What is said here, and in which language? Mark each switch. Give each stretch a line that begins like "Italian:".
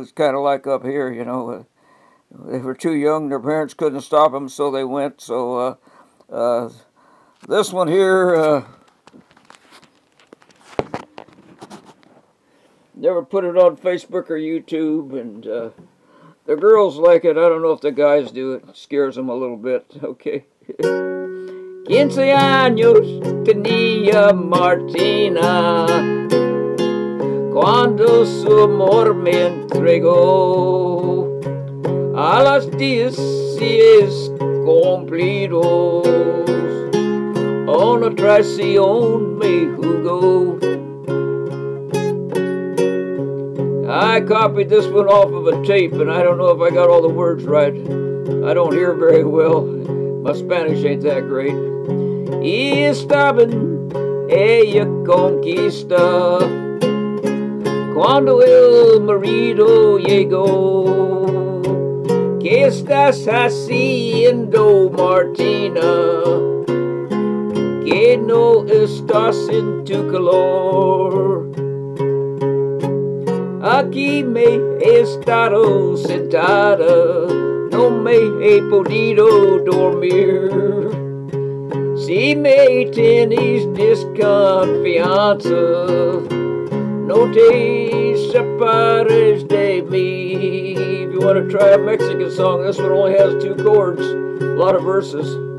English: It's kind of like up here, you know. They were too young, their parents couldn't stop them, so they went. So this one here, never put it on Facebook or YouTube, and the girls like it. I don't know if the guys do. It scares them a little bit. Okay.
Spanish: 15 años tenía Martina cuando su amor me entregó. A las 10 cumplidos, una traición me jugó.
English: I copied this one off of a tape, and I don't know if I got all the words right. I don't hear very well. My Spanish ain't that great.
Spanish: Y estaba ella conquista cuando el marido llegó. ¿Qué estás haciendo, Martina? ¿Qué no estás en tu calor? Aquí me he estado sentada, no me he podido dormir. Si me tienes desconfianza, no te separes de mí.
English: If you want to try a Mexican song, this one only has 2 chords, a lot of verses.